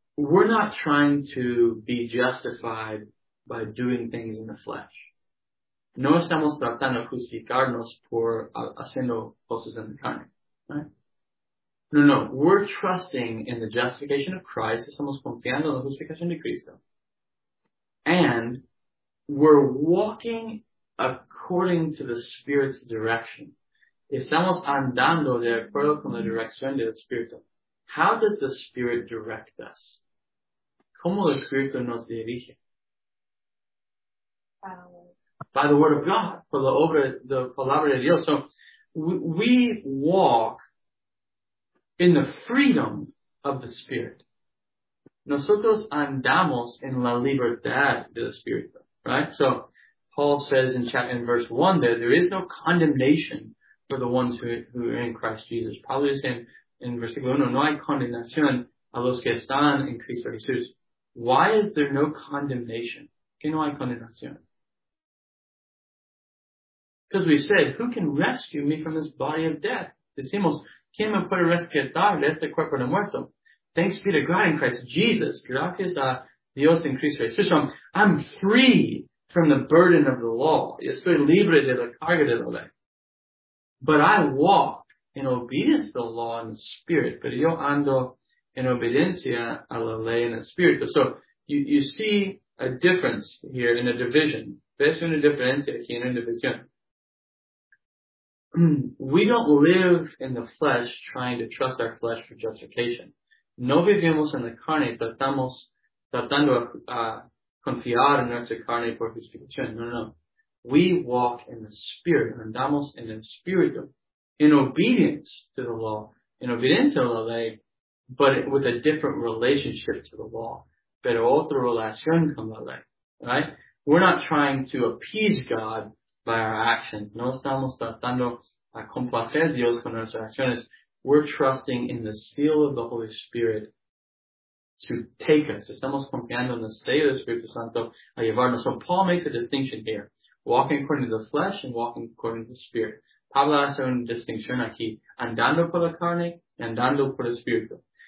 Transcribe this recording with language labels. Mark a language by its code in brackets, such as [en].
[en] we're not trying to be justified by doing things in the flesh. [es] No estamos tratando de justificarnos por haciendo cosas en la carne. [en] Right? No, no. We're trusting in the justification of Christ. [es] Estamos confiando en la justificación de Cristo. [en] And we're walking according to the Spirit's direction. [es] Estamos andando de acuerdo con la dirección del Espíritu. [en] How does the Spirit direct us? [es] ¿Cómo el Espíritu nos dirige? [en] By the Word of God, [es] por la obra, la palabra de Dios. [en] So, we walk in the freedom of the Spirit. [es] Nosotros andamos en la libertad del Espíritu, [en] right? So, Paul says in verse 1 there is no condemnation for the ones who are in Christ Jesus. Probably saying, [es] in versículo 1, no hay condenación a los que están en Cristo Jesús. [en] Why is there no condemnation? [es] ¿Qué no hay condenación? [en] Because we said, who can rescue me from this body of death? [es] Decimos, ¿quién me puede rescatar de este cuerpo de muerto? [en] Thanks be to God in Christ Jesus. [es] Gracias a Dios en Cristo Jesús. [en] So I'm free from the burden of the law. [es] Estoy libre de la carga de la ley. [en] But I walk in obedience to the law and the Spirit, but [es] yo ando en obediencia a la ley en el Espíritu. [en] So you see a difference here in a division. [es] ¿Ves una diferencia aquí en una división? [en] We don't live in the flesh trying to trust our flesh for justification. [es] No vivimos en la carne tratando a confiar en nuestra carne por justificación. [en] No, no. We walk in the Spirit. [es] Andamos en el Espíritu. [en] In obedience to the law, in obedience to the ley, but with a different relationship to the law. [es] Pero otra relación con la ley, [en] right? We're not trying to appease God by our actions. [es] No estamos tratando a complacer a Dios con nuestras acciones. [en] We're trusting in the seal of the Holy Spirit to take us. [es] Estamos confiando en el sello del Espíritu Santo a llevarnos. [en] So Paul makes a distinction here. Walking according to the flesh and walking according to the Spirit. [es] Pablo hace una distinción aquí, andando por la carne y andando por el Espíritu.